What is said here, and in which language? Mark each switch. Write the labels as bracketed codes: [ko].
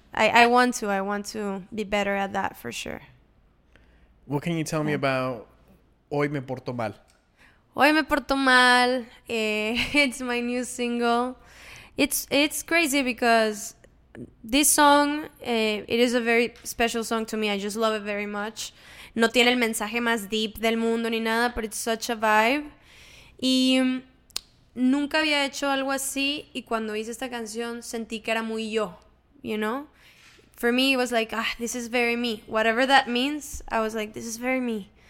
[en] I want to be better at that for sure. What can you tell me about Hoy Me Porto Mal? Hoy Me Porto Mal. It's my new single. It's crazy because this song, it is a very special song to me. I just love it very much. [es] No tiene el mensaje más deep del mundo ni nada, [en] but it's such a vibe. [es] Y nunca había hecho algo así. Y cuando hice esta canción, sentí que era muy yo, you know? [en] For me, it was like, ah, this is very me. Whatever that means, I was like, this is very me.